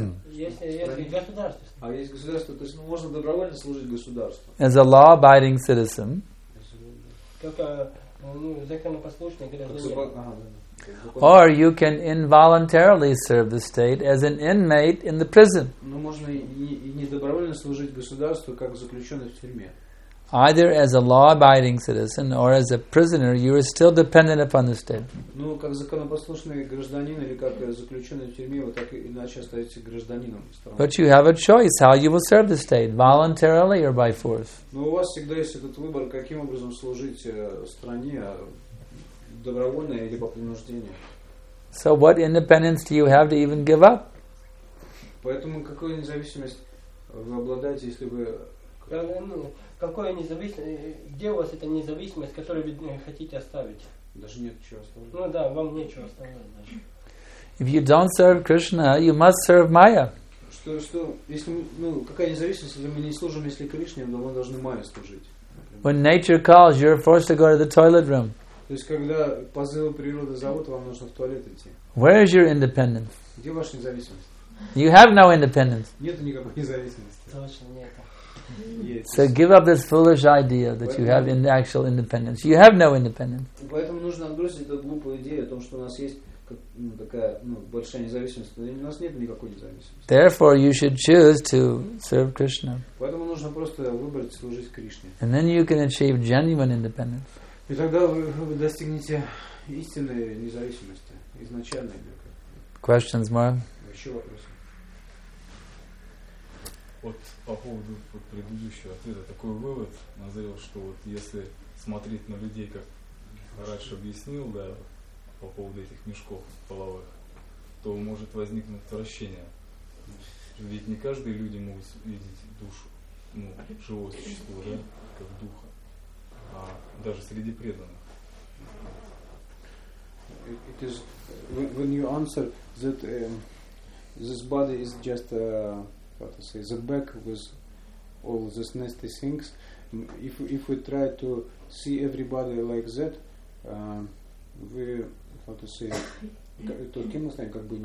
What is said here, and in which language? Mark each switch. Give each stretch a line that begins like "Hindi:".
Russian: Есть государство, то есть можно добровольно служить государству.
English: As a law-abiding citizen.
Russian: Как законопослушный гражданин.
English: Or you can involuntarily serve the state as an inmate in the prison.
Russian: Но можно и не добровольно служить государству, как заключенный в тюрьме.
English: Either as a law-abiding citizen or as a prisoner, you are still dependent upon the state.
Russian: Ну, как законопослушный гражданин или как заключенный в тюрьме, вот так иначе остаете гражданином страны.
English: But you have a choice how you will serve the state, voluntarily or by force.
Russian: Ну, у вас всегда есть этот выбор, каким образом служить стране, добровольно или по принуждению.
English: So what independence do you have to even give up?
Russian: Поэтому какую независимость вы обладаете, если вы... Какое независимость, где у вас эта независимость, которую вы хотите оставить? Даже нет чего оставить. Ну да, вам нечего оставлять даже.
English: If you don't serve Krishna, you must serve Maya.
Russian: Что, если, ну, какая независимость, если мы не служим, если Кришне, то мы должны Майе служить.
English: When nature calls, you're forced to go to the toilet room.
Russian: То есть, когда позывы природы зовут, вам нужно в туалет идти.
English: Where is your independence?
Russian: Где ваша независимость?
English: You have no independence.
Russian: Нету никакой независимости. Точно нет.
English: So give up this foolish idea that you have actual independence. You have no independence.
Russian: Поэтому нужно отбросить эту глупую идею о том, что у нас есть большая независимость. У нас нет никакой независимости.
English: Therefore, you should choose to serve Krishna.
Russian: Поэтому нужно просто выбрать служить Кришне.
English: And then you can achieve genuine independence.
Russian: И тогда вы достигнете истинной независимости, изначальной.
English: Questions, Mark?
Russian: Еще вопросы. Вот по поводу предыдущего ответа, такой вывод назрел, что вот если смотреть на людей, как раньше объяснил, да, по поводу этих мешков половых, то может возникнуть отвращение. Ведь не каждый люди могут видеть душу, ну, живое существо, да, как духа, а даже среди преданных.
English: It is, when you answer that this body is just a what to say, the back with all these nasty things, if we try to see everybody like that, we how to say
Russian: то кем мы знаем, как бы не